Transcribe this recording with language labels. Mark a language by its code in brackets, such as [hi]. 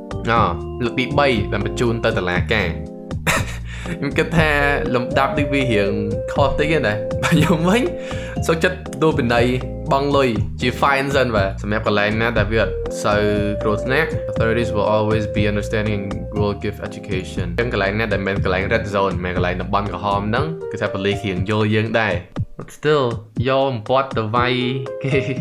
[km] no លើកទី3បានបញ្ជូនទៅតុលាការខ្ញុំគិតថាលំដាប់នេះវារៀងខុសតិចណាបើខ្ញុំវិញសុខចិត្តទទួលពិន័យបង់លុយជា fine សិនបាទសម្រាប់កន្លែងណាដែលវាអត់សូវគ្រោះថ្នាក់ [en] authorities will always be understanding and will give education [km] ទាំងកន្លែងណាដែលមានកន្លែង red zone មានកន្លែងតំបន់ក្រហមហ្នឹងគឺថាប៉ូលីសរៀងយល់យើងដែរ [en] but still [km] យកអំពាត់ទៅវាយគេ